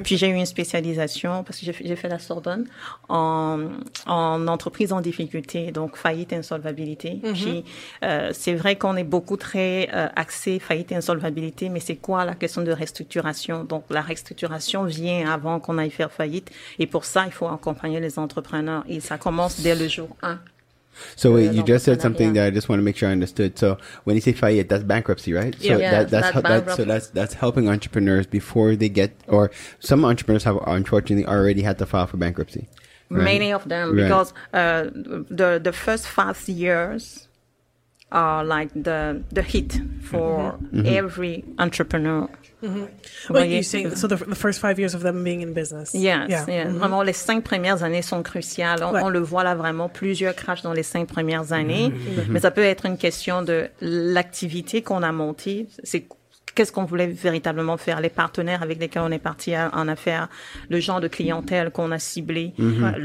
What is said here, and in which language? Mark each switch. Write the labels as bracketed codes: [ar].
[fr] Puis, j'ai eu une spécialisation, parce que j'ai fait la Sorbonne, en entreprise en difficulté, donc faillite et insolvabilité. Mm-hmm. Puis, c'est vrai qu'on est beaucoup très axé faillite et insolvabilité, mais c'est quoi la question de restructuration? Donc, la restructuration vient avant qu'on aille faire faillite. Et pour ça, il faut accompagner les entreprises. Et ça commence dès le jour 1. [en] So wait, you just said something that I just want to make sure I understood. So when you say faillite, that's bankruptcy, right? Yeah. So that's helping entrepreneurs before they get, or some entrepreneurs have unfortunately already had to file for bankruptcy. Right? Many of them, right. Because the first 5 years are like the hit for mm-hmm. every entrepreneur. Mm-hmm. Well, you say so the first 5 years of them being in business. [fr] Yes, yeah. Yes. Mm-hmm. Vraiment, les 5 premières années sont cruciales. On le voit là vraiment, plusieurs crashs dans les 5 premières années. Mm-hmm. Mais ça peut être une question de l'activité qu'on a montée. C'est qu'est-ce qu'on voulait véritablement faire? Les partenaires avec lesquels on est parti en affaires, le genre de clientèle qu'on a ciblé, mm-hmm.